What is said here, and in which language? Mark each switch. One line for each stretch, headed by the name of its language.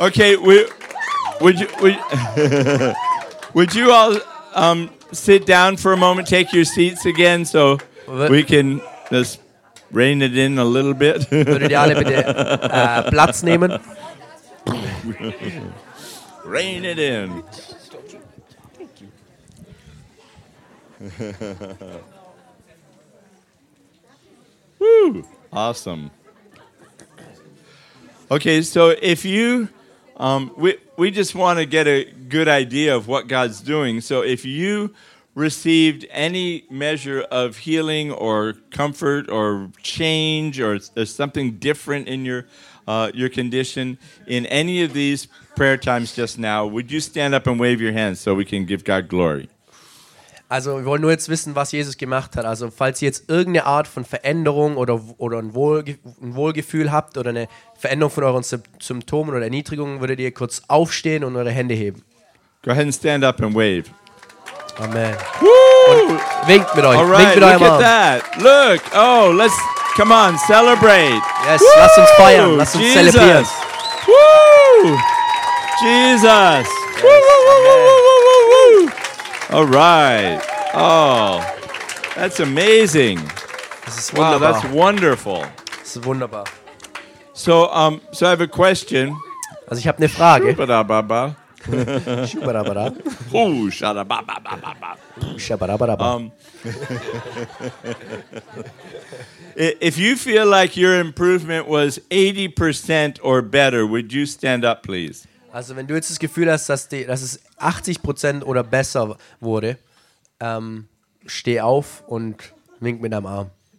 English: Okay, would you all sit down for a moment, take your seats again so we can just rein it in a little bit.
German: Würdet ihr alle bitte Platz nehmen?
English: Rein it in. Woo! Awesome. Okay, so if you, we just want to get a good idea of what God's doing. So if you received any measure of healing or comfort or change or there's something different in your condition in any of these prayer times just now, would you stand up and wave your hands so we can give God glory?
German: Also wir wollen nur jetzt wissen, was Jesus gemacht hat. Also falls ihr jetzt irgendeine Art von Veränderung oder ein Wohlgefühl habt oder eine Veränderung von euren Symptomen oder Erniedrigungen, würdet ihr kurz aufstehen und eure Hände heben.
English: Go ahead and stand up and wave. Amen. Woo!
German: Winkt mit euch.
English: All right,
German: winkt mit
English: look
German: Arm.
English: That. Look. Oh, let's, come on, celebrate.
German: Yes, woo! Lass uns feiern. Lass uns
English: Jesus.
German: Zelebrieren.
English: Woo! Jesus. Yes, woo, woo, woo, woo, woo, woo, woo. All right. Oh, that's amazing.
German: Das ist
English: wow, that's wonderful.
German: Das ist wunderbar.
English: So I have a question.
German: Also ich habe eine Frage. Shubarababa. Shubarabara. Ooh, shabarababa. Shabarababa.
English: If you feel like your improvement was 80% or better, would you stand up, please?
German: Also wenn du jetzt das Gefühl hast, dass es 80% oder besser wurde, steh auf und wink mit deinem Arm.